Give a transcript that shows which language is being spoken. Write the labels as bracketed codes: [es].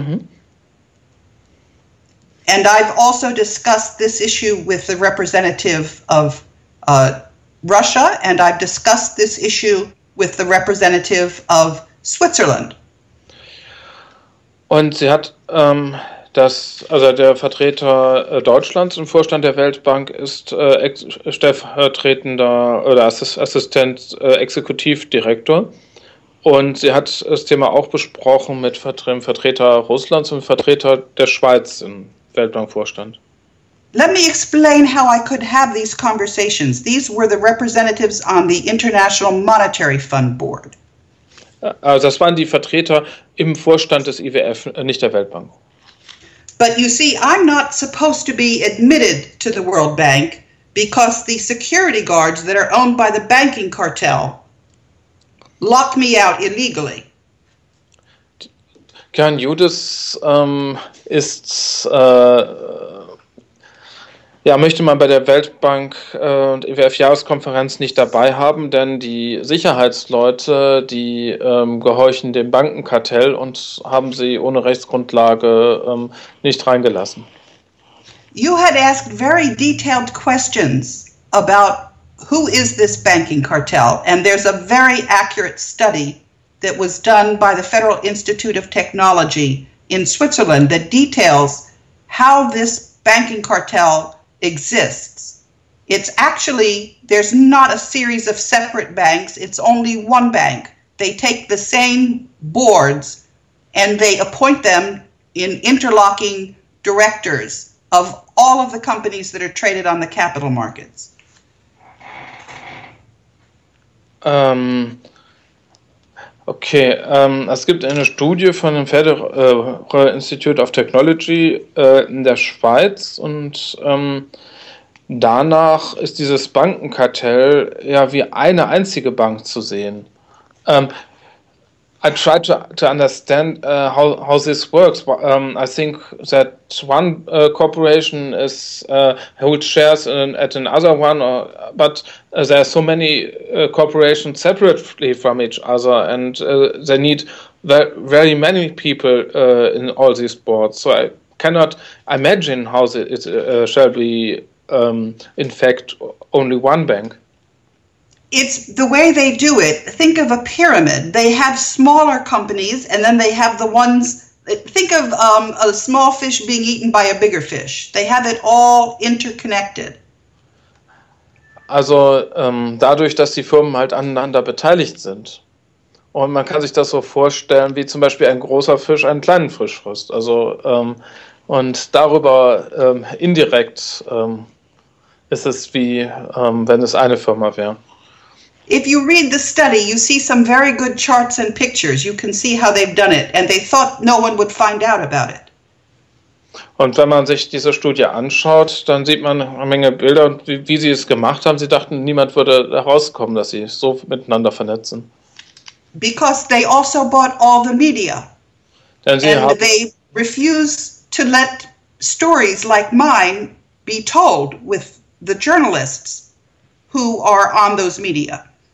[en] Mm-hmm. And I've also discussed this issue with the representative of Russia, and I've discussed this issue with the representative of Switzerland. [de] Und sie hat der Vertreter Deutschlands im Vorstand der Weltbank ist stellvertretender oder Assistent Exekutivdirektor, und sie hat das Thema auch besprochen mit dem Vertreter Russlands und Vertreter der Schweiz im Weltbankvorstand. [en] Let me explain how I could have these conversations. These were the representatives on the International Monetary Fund Board. [de] Also das waren die Vertreter im Vorstand des IWF, nicht der Weltbank. [en] But you see, I'm not supposed to be admitted to the World Bank because the security guards that are owned by the banking cartel lock me out illegally. [de] Karin Judith ist Ja, möchte man bei der Weltbank und IWF-Jahreskonferenz nicht dabei haben, denn die Sicherheitsleute, die gehorchen dem Bankenkartell und haben sie ohne Rechtsgrundlage nicht reingelassen. [en] You had asked very detailed questions about who is this banking cartel, and there's a very accurate study that was done by the Federal Institute of Technology in Switzerland that details how this banking cartel exists. It's actually, there's not a series of separate banks, it's only one bank. They take the same boards and they appoint them in interlocking directors of all of the companies that are traded on the capital markets. [de] Okay, es gibt eine Studie von dem Federal Institute of Technology in der Schweiz und danach ist dieses Bankenkartell ja wie eine einzige Bank zu sehen. [en] I try to understand how this works. I think that one corporation is holds shares at another one, but there are so many corporations separately from each other, and they need very many people in all these boards. So I cannot imagine how it shall be, in fact, only one bank. It's the way they do it. Think of a pyramid. They have smaller companies, and then they have the ones. Think of a small fish being eaten by a bigger fish. They have it all interconnected. [de] Also dadurch, dass die Firmen halt aneinander beteiligt sind. Und man kann sich das so vorstellen, wie zum Beispiel ein großer Fisch einen kleinen Fisch frisst. Also und darüber indirekt ist es wie, wenn es eine Firma wäre. [en] If you read the study, you see some very good charts and pictures. You can see how they've done it, and they thought no one would find out about it. [de] Und wenn man sich diese Studie anschaut, dann sieht man eine Menge Bilder, wie sie es gemacht haben. Sie dachten, niemand würde herauskommen, dass sie so miteinander vernetzen. [en] Because they also bought all the media. [de] Denn sie [en] and they refuse to let stories like mine be told with the journalists who are on those media.